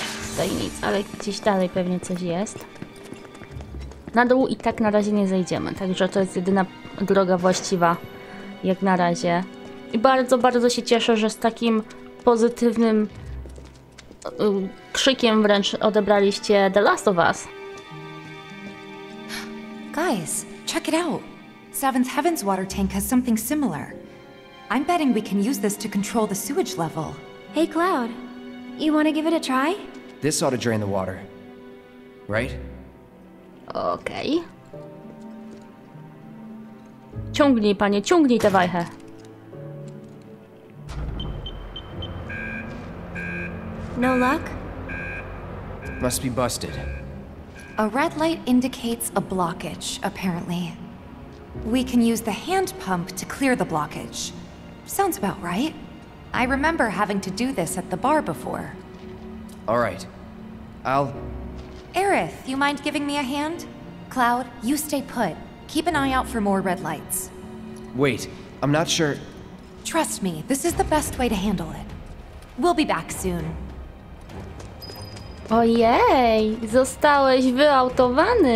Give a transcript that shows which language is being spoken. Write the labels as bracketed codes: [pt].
[pl] Tutaj nic, ale gdzieś dalej pewnie coś jest. Na dół i tak na razie nie zejdziemy, także to jest jedyna droga właściwa, jak na razie. I bardzo, bardzo się cieszę, że z takim pozytywnym krzykiem wręcz odebraliście The Last of Us. [en] Guys, check it out. Seventh Heaven's water tank has something similar. I'm betting we can use this to control the sewage level. Hey Cloud, you want to give it a try? This ought to drain the water, right? [pl] Okej. Ciągnij, panie, ciągnij tę wajchę. [en] No luck? Must be busted. A red light indicates a blockage, apparently. We can use the hand pump to clear the blockage. Sounds about right. I remember having to do this at the bar before. All right. I'll... Aerith, you mind giving me a hand? Cloud, you stay put. Keep an eye out for more red lights. Wait, I'm not sure... Trust me, this is the best way to handle it. We'll be back soon. [pl] Ojej, zostałeś wyautowany!